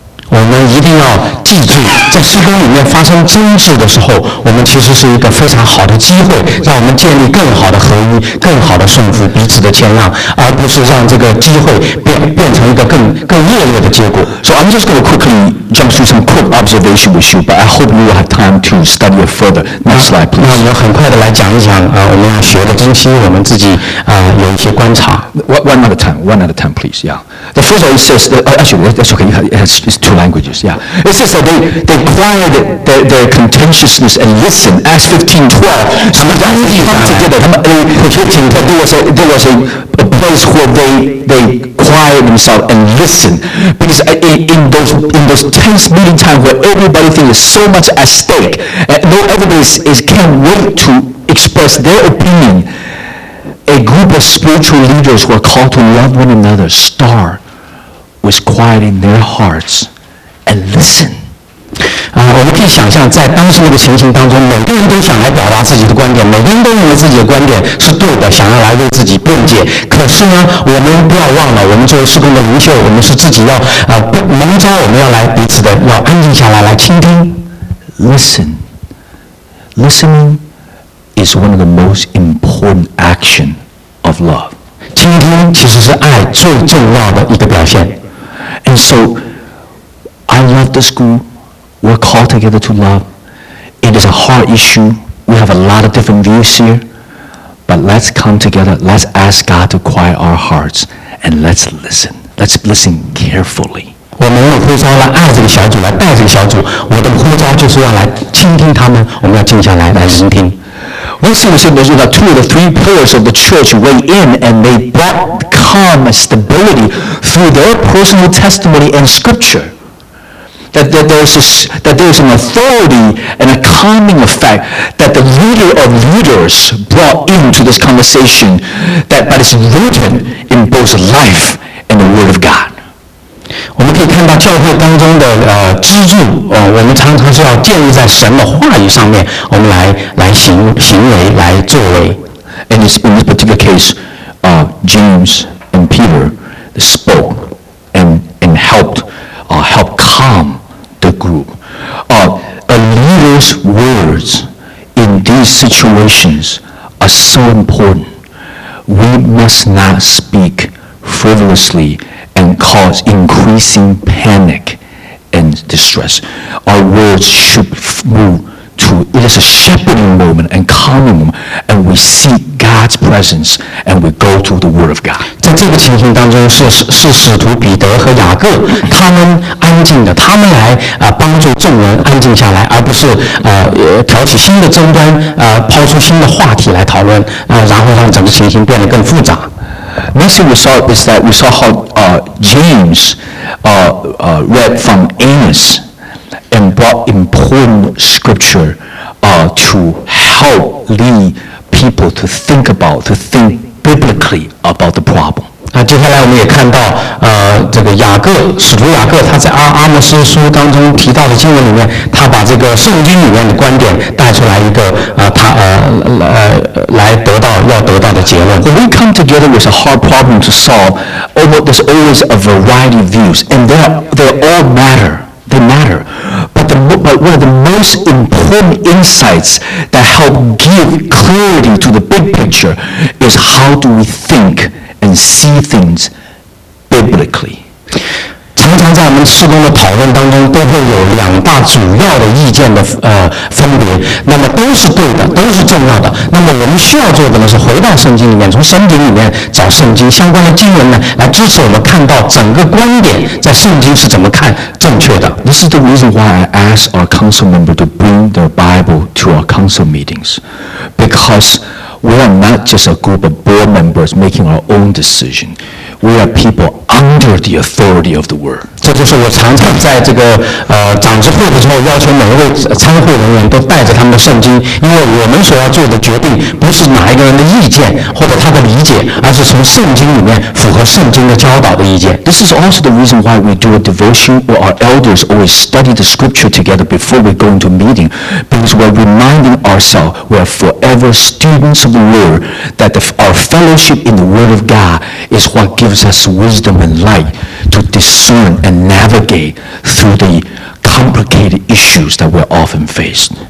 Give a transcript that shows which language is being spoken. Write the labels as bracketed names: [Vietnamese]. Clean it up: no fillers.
[Chinese] 我们一定要记住，在事工里面发生争执的时候，我们其实是一个非常好的机会，让我们建立更好的合一、更好的顺服、彼此的谦让，而不是让这个机会变成一个更恶劣的结果。 [English] So I'm just going to quickly jump through some quick observation with you, but I hope you will have time to study it further. Next slide, please. [Chinese] 那我们很快的来讲一讲我们要学的东西，我们自己有一些观察。 [English] One at a time, please. Yeah. The first one it says, that's okay. It's two languages, yeah. It says that they quieted their contentiousness and listened. Acts 15:12. So there was a place where they quieted themselves and listened. Because in those tense meeting times where everybody thinks there's so much at stake, everybody can't wait to express their opinion, a group of spiritual leaders who are called to love one another start with quieting their hearts. And listen. [Chinese] 我们可以想象，在当时那个情形当中，每个人都想来表达自己的观点，每个人都认为自己的观点是对的，想要来为自己辩解。可是呢，我们不要忘了，我们作为事工的领袖，我们是自己要蒙召，我们要来彼此的要安静下来倾听。 [English] Listen. Listening is one of the most important action of love. [Chinese] 倾听其实是爱最重要的一个表现。 [English] And so. I love the school. We're called together to love. It is a hard issue. We have a lot of different views here. But let's come together. Let's ask God to quiet our hearts. And let's listen. Let's listen carefully. [Chinese] 我们有呼召来爱这个小组，来带这个小组。我的呼召就是要来倾听他们。我们要静下来，来聆听。 [English] Once we said those are two of the three pillars of the church weigh in, and they brought calm and stability through their personal testimony and scripture. That there's an authority and a calming effect that the leader of leaders brought into this conversation that is rooted in both life and the word of God. [Chinese] 我们可以看到教会当中的支柱我们常常是要建立在神的话语上面，我们来行为来作为。 [English] And in this particular case, James and Peter spoke and helped help calm the group. A leader's words in these situations are so important. We must not speak frivolously and cause increasing panic and distress. Our words should move to, it is a shepherding moment and calming moment, and we seek God's presence and we go to the Word of God. [Chinese] 在这个情形当中是使徒彼得和雅各他们安静的，他们来帮助众人安静下来，而不是挑起新的争端，抛出新的话题来讨论，然后让整个情形变得更复杂。 [English] Next thing we saw is that we saw how James read from Amos and brought important scripture to help lead people to think about, to think biblically about the problem. [Chinese] 接下来我们也看到这个雅各，使徒雅各他在阿摩斯书当中提到的经文里面，他把这个圣经里面的观点带出来一个来得到要得到的结论。 [English] When we come together with a hard problem to solve, there's always a variety of views, and they all matter. They matter. But one of the most important insights that help give clarity to the big picture is how do we think and see things biblically. [Chinese] 通常在我们施工的讨论当中都会有两大主要的意见的分别，那么都是对的，都是重要的，那么我们需要做的呢是回到圣经里面，从圣经里面找圣经相关的经文呢，来支持我们看到整个观点在圣经是怎么看正确的。 [English] This is the reason why I ask our council member to bring their Bible to our council meetings, because we are not just a group of board members making our own decision. We are people under the authority of the Word. [Chinese] 这就是我常常在这个长执会的时候要求每一位参会人员都带着他们的圣经，因为我们所要做的决定不是哪一个人的意见或者他的理解，而是从圣经里面符合圣经的教导的意见。 [English] This is also the reason why we do a devotion where our elders always study the scripture together before we go into meeting, because we're reminding ourselves we are forever students of the Word, that our fellowship in the Word of God is what gives us wisdom and light to discern and navigate through the complicated issues that we're often faced.